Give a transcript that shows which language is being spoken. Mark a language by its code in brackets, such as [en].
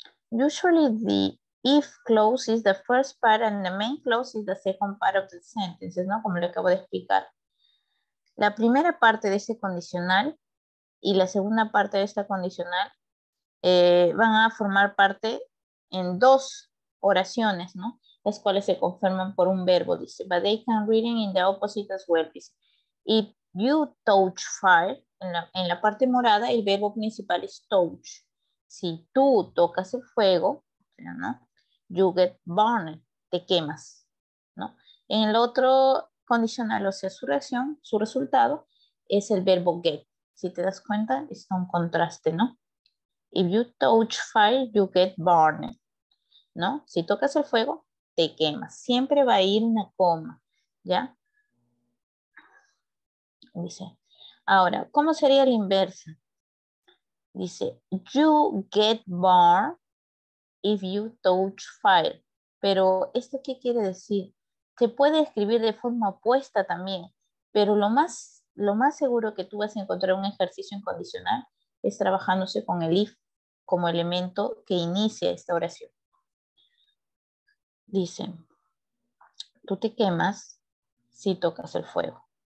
[en] Usually the if clause is the first part and the main clause is the second part of the sentence, ¿no? [es] Como le acabo de explicar. La primera parte de ese condicional y la segunda parte de esta condicional van a formar parte en dos oraciones, ¿no? Las cuales se confirman por un verbo, dice. [en] But they can read in the opposite as well, dice. If you touch fire, [es] en la parte morada, el verbo principal es touch. Si tú tocas el fuego, ¿no? [en] You get burned, [es] te quemas, ¿no? En el otro condicional, o sea, su reacción, su resultado, es el verbo get. Si te das cuenta, es un contraste, ¿no? [en] If you touch fire, you get burned, ¿no? [es] Si tocas el fuego, te quemas. Siempre va a ir una coma, ¿ya? Dice, ahora, ¿cómo sería la inversa? [en] Dice, you get burned if you touch fire. [es] Pero, ¿esto qué quiere decir? Se puede escribir de forma opuesta también, pero lo más seguro que tú vas a encontrar un ejercicio incondicional es trabajándose con el if como elemento que inicia esta oración. Dice, tú te quemas si tocas el fuego.